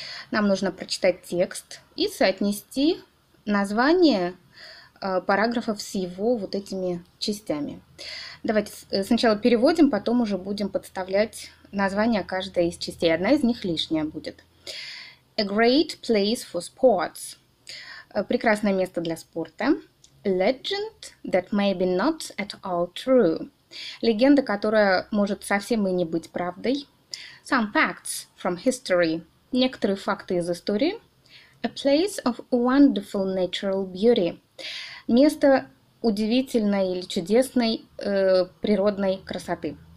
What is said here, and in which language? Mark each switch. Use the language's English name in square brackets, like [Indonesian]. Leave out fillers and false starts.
[Russian] Нам нужно прочитать текст и соотнести название параграфов с его вот этими частями. Давайте сначала переводим, потом уже будем подставлять название каждой из частей. Одна из них лишняя будет. [English] A great place for sports. [Russian] Прекрасное место для спорта. [English] Legend that may be not at all true. [Russian] Легенда, которая может совсем и не быть правдой. [English] Some facts from history. [Russian] Некоторые факты из истории. [English] A place of wonderful natural beauty. [Russian] Место удивительной или чудесной природной красоты.